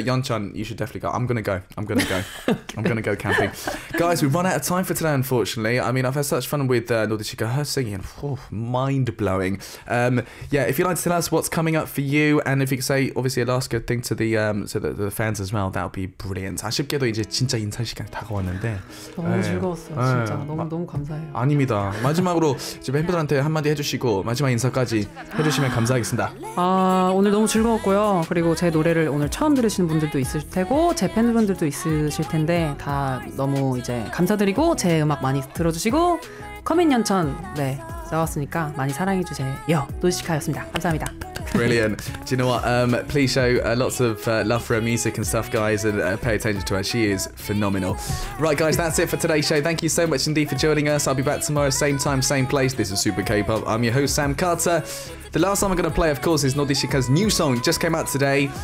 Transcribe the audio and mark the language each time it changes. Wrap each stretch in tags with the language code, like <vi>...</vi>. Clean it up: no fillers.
<en>Yoncheon, you should definitely go. I'm going to go. Okay. I'm going to go camping. Guys, we've run out of time for today, unfortunately. I mean, I've had such fun with Nody Cika. Her singing, oh, mind-blowing. Yeah, if you'd like to tell us what's coming up for you, and if you could say, obviously, a last good thing to the fans as well, that would be brilliant.</en> <ko>아쉽게도 이제 진짜 인사 시간 다가왔는데. 너무 즐거웠어요, 진짜. 너무, 너무 감사해요. 아닙니다. 마지막으로 이제 멤버들한테 한마디 해주시고, 마지막 인사까지 해주시면 감사하겠습니다. 아, 오늘 너무 즐거웠고요. 그리고 제 노래를 오늘 처음 들으시는 분들도 있을 테고 제 팬분들도 있으실 텐데 다 너무 이제 감사드리고 제 음악 많이 들어주시고 커밋 연천 네 나왔으니까 많이 사랑해 주세요. 노디시카였습니다. 감사합니다.</ko> <en>Brilliant. Do you know what? Please show lots of love for her music and stuff, guys, and pay attention to her. She is phenomenal. Right, guys, that's it for today's show. Thank you so much indeed for joining us. I'll be back tomorrow, same time, same place. This is Super K-Pop. I'm your host, Sam Carter. The last song I'm going to play, of course, is Nodishika's new song. Just came out today.</en>